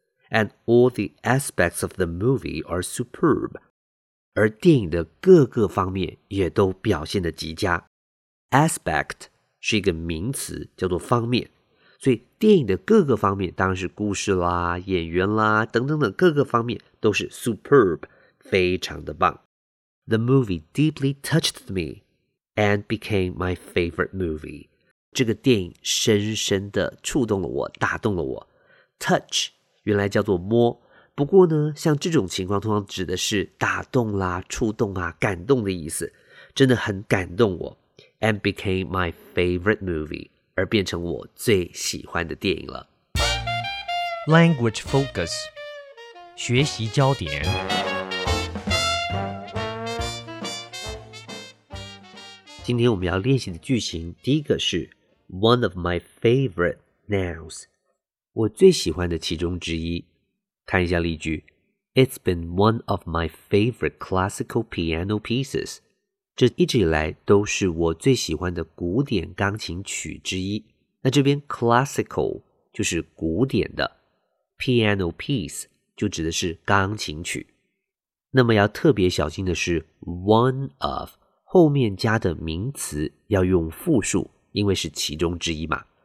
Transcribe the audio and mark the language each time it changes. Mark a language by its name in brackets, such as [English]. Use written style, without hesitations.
[English] And all the aspects of the movie are superb. [Chinese] 而电影的各个方面也都表现得极佳。 Aspect 是一个名词叫做方面。所以电影的各个方面当然是故事啦演员啦等等的各个方面都是 superb, 非常的棒。 [English] The movie deeply touched me and became my favorite movie. [Chinese] 这个电影深深的触动了我打动了我。 Touch,原来叫做摸不过呢像这种情况通常指的是打动啦触动啊感动的意思真的很感动我 [English] and became my favorite movie [Chinese] 而变成我最喜欢的电影了 [English] Language Focus [Chinese] 学习焦点今天我们要练习的句型第一个是 [English] One of my favorite nouns [Chinese] 我最喜欢的其中之一。看一下例句。 [English] It's been one of my favorite classical piano pieces. [Chinese] 这一直以来都是我最喜欢的古典钢琴曲之一。那这边 classical 就是古典的。piano piece 就指的是钢琴曲。那么要特别小心的是 one of, 后面加的名词要用复数因为是其中之一嘛。